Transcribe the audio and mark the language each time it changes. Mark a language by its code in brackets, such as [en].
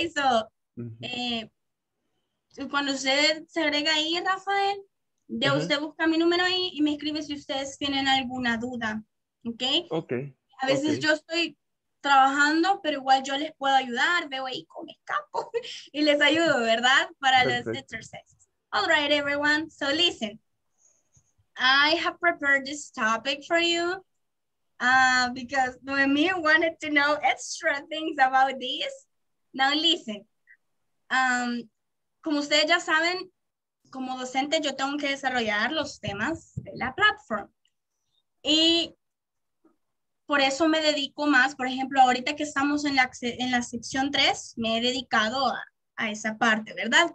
[es] So, cuando usted se agrega ahí, Rafael, de usted busca mi número ahí y me escribe si ustedes tienen alguna duda. ¿ok? Ok. A veces okay. Yo estoy trabajando, pero igual yo les puedo ayudar, veo ahí con escapo y les ayudo, ¿verdad? Para los exercises. [en] All right, everyone. So listen, I have prepared this topic for you because Noemi wanted to know extra things about this. [es] Now listen, como ustedes ya saben, como docente yo tengo que desarrollar los temas de la plataforma. Y por eso me dedico más, por ejemplo, ahorita que estamos en la sección 3, me he dedicado a esa parte, ¿verdad?